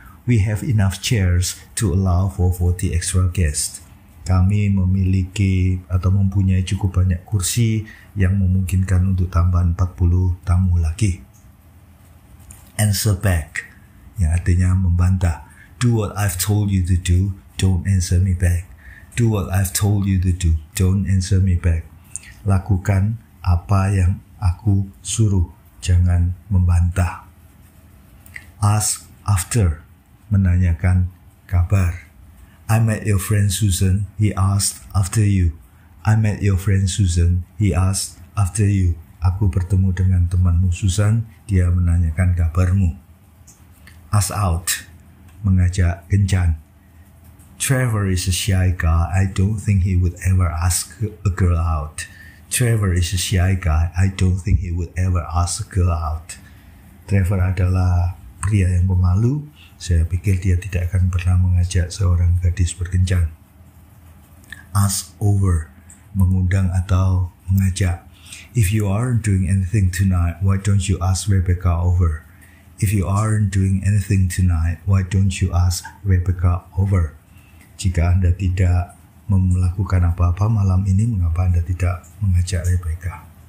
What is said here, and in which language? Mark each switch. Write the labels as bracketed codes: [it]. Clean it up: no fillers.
[en] We have enough chairs to allow for 40 extra guests. [id] Kami memiliki atau mempunyai cukup banyak kursi yang memungkinkan untuk tambahan 40 tamu lagi. Answer back, yang artinya membantah. [en] Do what I've told you to do, don't answer me back. Do what I've told you to do, don't answer me back. [id] Lakukan apa yang aku suruh, jangan membantah. Ask after, menanyakan kabar. [en] I met your friend Susan, he asked after you. I met your friend Susan, he asked after you. [id] Aku bertemu dengan temanmu Susan, dia menanyakan kabarmu. Ask out, mengajak kencan. [en] Trevor is a shy guy, I don't think he would ever ask a girl out. Trevor is a shy guy, I don't think he would ever ask a girl out. [id] Trevor adalah pria yang pemalu, saya pikir dia tidak akan pernah mengajak seorang gadis berkencan. Ask over, mengundang atau mengajak. [en] If you aren't doing anything tonight, why don't you ask Rebecca over? If you aren't doing anything tonight, why don't you ask Rebecca over? [id] Jika Anda tidak melakukan apa-apa malam ini, mengapa Anda tidak mengajak Rebecca?